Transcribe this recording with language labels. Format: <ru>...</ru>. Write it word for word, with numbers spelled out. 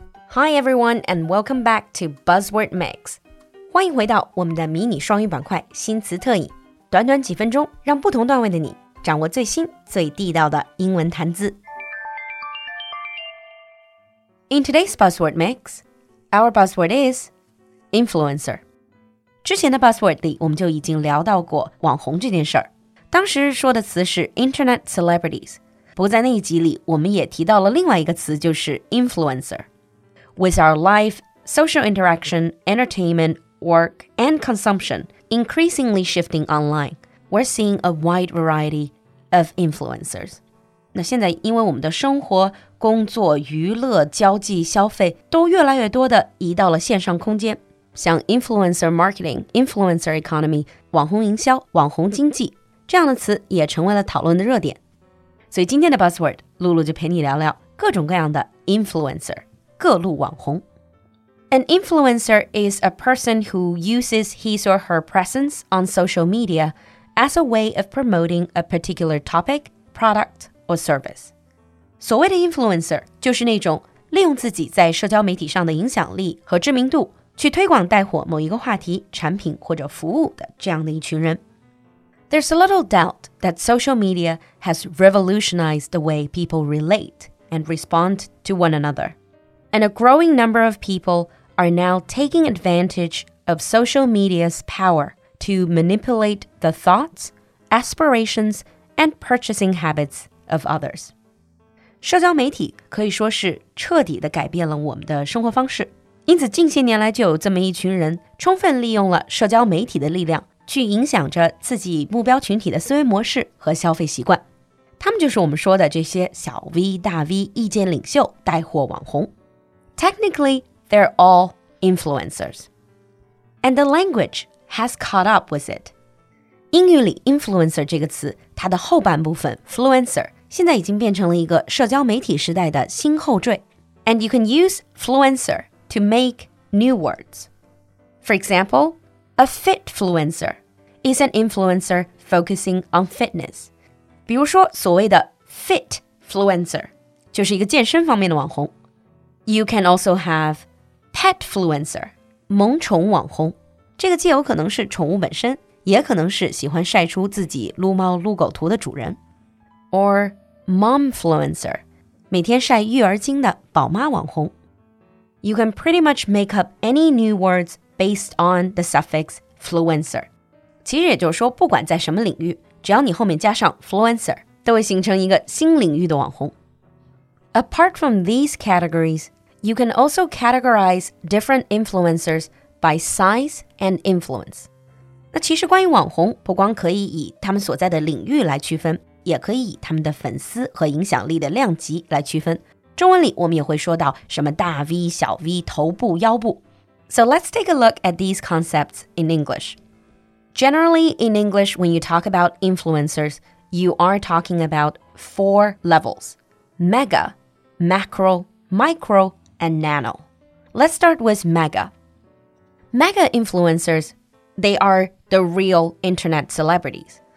<en>Hi everyone and welcome back to Buzzword Mix.</en> <zh>欢迎回到我们的迷你双语板块新词特饮。短短几分钟，让不同段位的你掌握最新最地道的英文谈资。</zh> <en>In today's Buzzword Mix, our buzzword is influencer.</en> <zh>之前的 buzzword 里我们就已经聊到过网红这件事儿，当时说的词是 internet celebrities。不过在那一集里我们也提到了另外一个词，就是 influencer.</zh> <en>With our life, social interaction, entertainment, work, and consumption increasingly shifting online, we're seeing a wide variety of influencers.</en> <zh>那现在因为我们的生活、工作、娱乐、交际、消费都越来越多的移到了线上空间，像</zh> <en>influencer marketing, influencer economy,</en> <zh>网红营销、网红经济这样的词也成为了讨论的热点。所以今天的 buzzword, 露露就陪你聊聊各种各样的 influencer。各路网红。</zh> <en>An influencer is a person who uses his or her presence on social media as a way of promoting a particular topic, product, or service.</en> <zh>所谓的 influencer 就是那种利用自己在社交媒体上的影响力和知名度去推广带火某一个话题、产品或者服务的这样的一群人。</zh> <en>There's a little doubt that social media has revolutionized the way people relate and respond to one another. And a growing number of people are now taking advantage of social media's power to manipulate the thoughts, aspirations, and purchasing habits of others.</en> <zh>社交媒体可以说是彻底地改变了我们的生活方式，因此近些年来就有这么一群人充分利用了社交媒体的力量，去影响着自己目标群体的思维模式和消费习惯。他们就是我们说的这些小 V 大 V 意见领袖、带货网红。</zh> <en>Technically, they're all influencers. And the language has caught up with it.</en> <zh>英语里 influencer 这个词，它的后半部分 fluencer 现在已经变成了一个社交媒体时代的新后缀。</zh> <en>And you can use fluencer to make new words. For example, a fitfluencer is an influencer focusing on fitness.</en> <zh>比如说所谓的 fitfluencer 就是一个健身方面的网红。</zh> <en>You can also have petfluencer,</en> <zh>萌宠网红。这个既有可能是宠物本身，也可能是喜欢晒出自己撸猫撸狗图的主人。 Or momfluencer, 每天晒育儿经的宝妈网红。</zh> <en>You can pretty much make up any new words based on the suffix fluencer.</en> <zh>其实也就是说，不管在什么领域，只要你后面加上 fluencer, 都会形成一个新领域的网红。</zh> <en>Apart from these categories, you can also categorize different influencers by size and influence.</en> <zh>那其实关于网红，不光可以以他们所在的领域来区分，也可以以他们的粉丝和影响力的量级来区分。中文里我们也会说到什么大 V、小 V、头部、腰部。</zh> <en>So let's take a look at these concepts in English. Generally, in English, when you talk about influencers, you are talking about four levels: mega,macro, micro, and nano. Let's start with mega. Mega influencers, they are the real internet celebrities.</en>